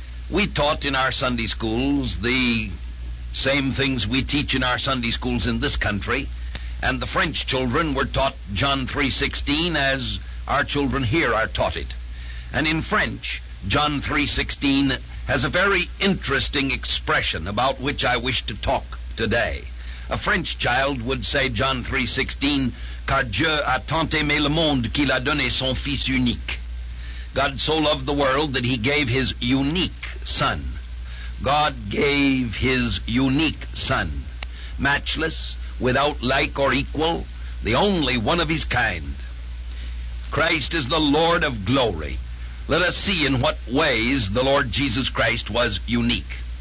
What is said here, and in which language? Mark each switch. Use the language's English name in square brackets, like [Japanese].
[English] We taught in our Sunday schools the same things we teach in our Sunday schools in this country, and the French children were taught John 3:16 as our children here are taught it. And in French, John 3:16 has a very interesting expression about which I wish to talk today. A French child would say John 3:16, [French] car Dieu a tant aimé le monde qu'il a donné son fils unique. [English] God so loved the world that he gave his unique son. God gave his unique son, matchless, without like or equal, the only one of his kind. Christ is the Lord of glory. Let us see in what ways the Lord Jesus Christ was unique.